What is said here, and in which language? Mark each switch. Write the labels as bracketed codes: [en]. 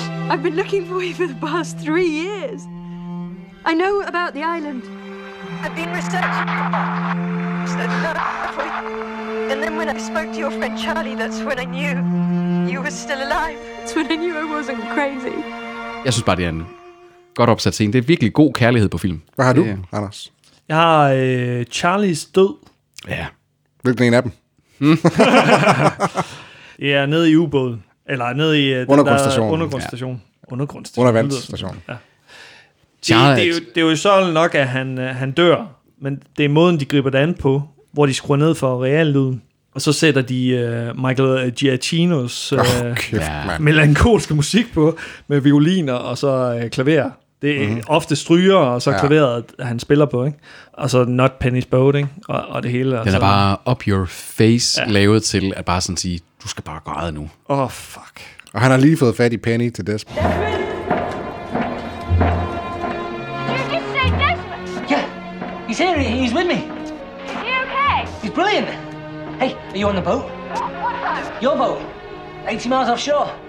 [en] I've been looking for you for the past 3 years. I know about the island. I've been researching for you. And then when I spoke to your friend Charlie, that's when I knew you were still alive. That's when I knew I wasn't crazy. [da] Jeg synes bare, det er en godt opsat scene. Det er virkelig god kærlighed på film. Hvad har du, Anders? Jeg har Charlies død. Ja. Hvilken en af dem? Ja, nede i ubåden. Eller nede i undergrundsstationen. Undergrundsstation. Ja. Undergrundsstation. Undervandsstation. Ja. Det er jo sådan nok, at han dør. Men det er måden, de griber det an på, hvor de skruer ned for reallyden. Og så sætter de Michael Giacchino's melankolske musik på med violiner og så klaver. Det er ofte stryger, og så klaveret, han spiller på, ikke? Og så Not Penny's Boat, ikke? Og det hele. Den er bare [en] up your face [da] lavet til at bare sådan sige, du skal bare græde nu. Åh, fuck. Og han har lige fået fat i Penny til Desmond. [en] Desmond! Did you just say Desmond? Yeah, he's here, he's with me. Is he okay? He's brilliant. Hey, are you on the boat? What boat? Your boat, 80 miles offshore.